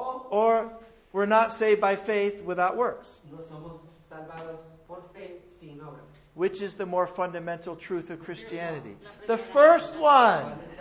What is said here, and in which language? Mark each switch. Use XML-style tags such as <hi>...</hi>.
<en>Or we're not saved by faith without works.</en> <es>No somos salvados por fe sin obras.</es> <en>Which is the more fundamental truth of Christianity? The first one.</en>